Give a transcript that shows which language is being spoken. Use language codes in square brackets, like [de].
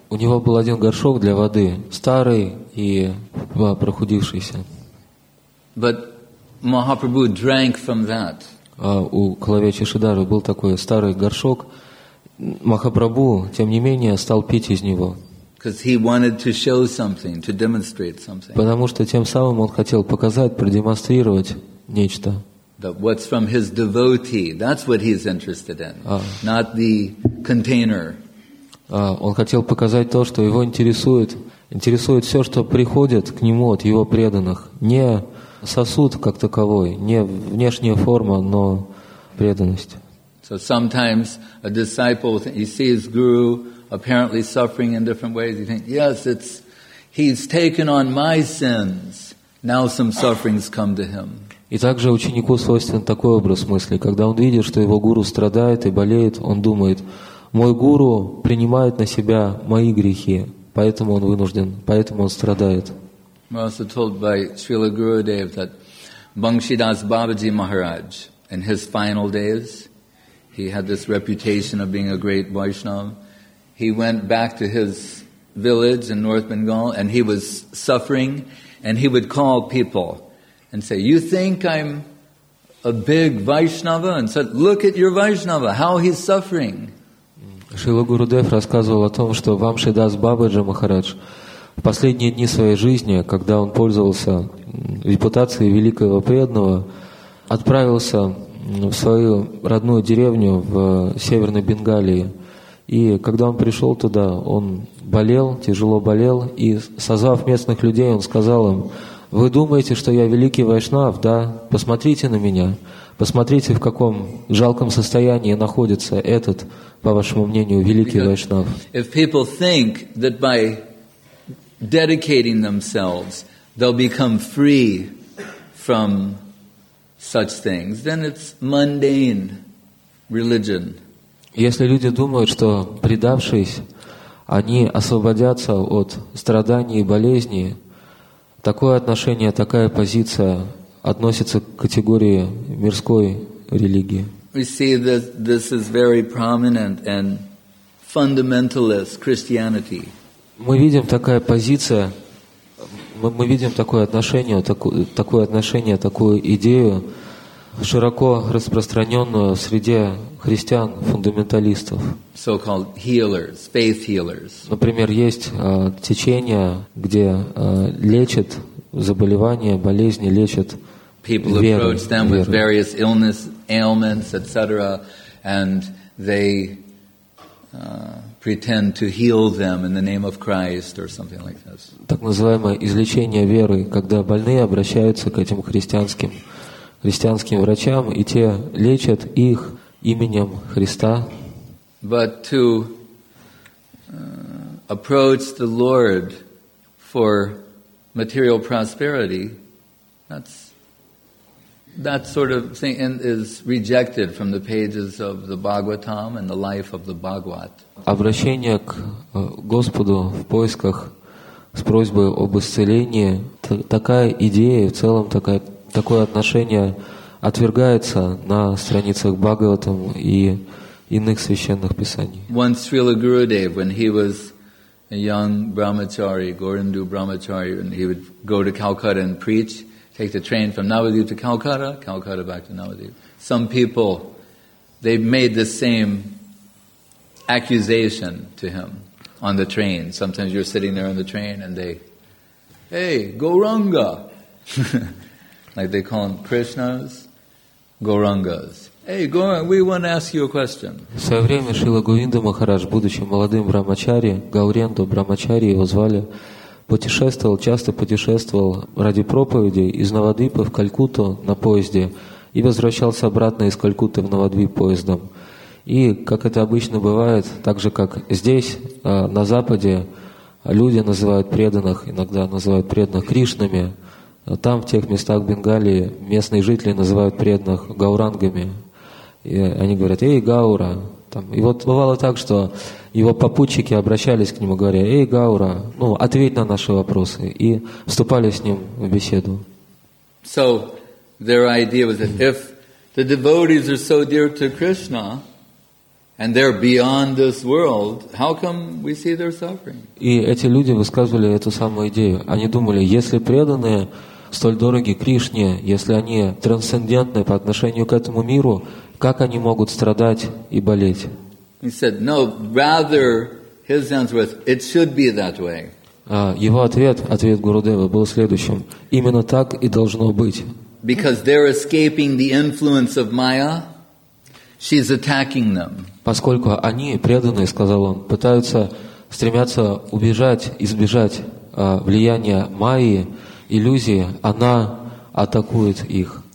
[ru] У него был один горшок для воды, старый и прохудившийся. [en] But Mahaprabhu drank from that. [ru] У Калавечи Шридхары был такой старый горшок. Махапрабху, тем не менее, стал пить из него. [en] Because he wanted to show something, to demonstrate something. [ru] Потому что тем самым он хотел показать, продемонстрировать нечто. [en] That what's from his devotee, that's what he's interested in, not the container. [ru] Он хотел показать то, что его интересует. Интересует все, что приходит к нему от его преданных. Не сосуд как таковой, не внешняя форма, но преданность. [en] So sometimes a disciple, he sees guru apparently suffering in different ways. He thinks, yes, he's taken on my sins. Now some sufferings come to him. [ru] И также ученику свойственен такой образ мысли, когда он видит, что его гуру страдает и болеет, он думает, мой гуру принимает на себя мои грехи, поэтому он вынужден, поэтому он страдает. [en] We're also told by Srila Gurudev that Bhangshidas Babaji Maharaj, in his final days, he had this reputation of being a great Vaishnava. He went back to his village in North Bengal, and he was suffering, and he would call people and say, "You think I'm a big Vaishnava?" And said, "Look at your Vaishnava, how he's suffering." [ru] Шрила Гурудев рассказывал о том, что Вамшидас Бабаджи Махарадж в последние дни своей жизни, когда он пользовался репутацией великого преданного, отправился в свою родную деревню в Северной Бенгалии. И когда он пришел туда, он болел, тяжело болел, и, созвав местных людей, он сказал им: «Вы думаете, что я великий вайшнав, да? Посмотрите на меня, посмотрите, в каком жалком состоянии находится этот, по вашему мнению, великий вайшнав». [en] If people think that by dedicating themselves they'll become free from such things, then it's mundane religion. [ru] Если люди думают, что предавшись, они освободятся от страданий и болезней, такое отношение, такая позиция относится к категории мирской религии. [en] We see that this is very prominent and fundamentalist Christianity. [ru] Мы видим такая позиция, мы видим такое отношение, такое отношение, такую идею, широко распространенную среди христиан, фундаменталистов. [en] So-called healers, faith healers. [ru] Например, есть течение, где лечат заболевания, болезни, лечат [en] People [ru] веры, [en] approach them [ru] веры. [en] With various illness, ailments, etc., and they pretend to heal them in the name of Christ or something like this. [ru] Так называемое излечение веры, когда больные обращаются к этим христианским врачам, и те лечат их именем Христа. [en] But to approach the Lord for material prosperity, that sort of thing is rejected from the pages of the Bhagavatam and the life of the Bhagavat. [ru] Обращение к Господу в поисках с просьбой об исцелении, такая идея, в целом такое отношение отвергается на страницах Бхагаватам и иных священных писаний. [en] Once Srila Gurudev, when he was a young brahmachari, Gaurindu brahmachari, and he would go to Calcutta and preach, take the train from Navadvip to Calcutta, Calcutta back to Navadvip. Some people, they made the same accusation to him on the train. Sometimes you're sitting there on the train and they, "Hey, Gauranga!" Like they call him Krishna's Gaurangas. "Hey, Gauranga, we want to ask you a question." [ru] В свое время Шрила Говинда Махарадж, будучи молодым брамачари, Гауренду брамачари его звали, часто путешествовал ради проповеди из Навадвипа в Калькутту на поезде и возвращался обратно из Калькутты в Навадвип поездом. И, как это обычно бывает, так же, как здесь, на Западе, люди называют преданных, иногда называют преданных Кришнами, там, в тех местах Бенгалии, местные жители называют преданных гаурангами. И они говорят: «Эй, Гаура!» Там. И вот бывало так, что его попутчики обращались к нему, говоря: «Эй, Гаура, ну, ответь на наши вопросы!» И вступали с ним в беседу. [en] So, their idea was that if the devotees are so dear to Krishna, and they're beyond this world, how come we see their suffering? [ru] И эти люди высказывали эту самую идею. Они думали: если преданные столь дороги Кришне, если они трансцендентны по отношению к этому миру, как они могут страдать и болеть? [en] He said, no, rather, his answer was, it should be that way. [ru] Его ответ Гурудева был следующим: именно так и должно быть. [en] Because they're escaping the influence of Maya, she's attacking them. [ru] Поскольку они, преданные, сказал он, пытаются, стремятся убежать, избежать влияния Майи, иллюзии, она атакует их.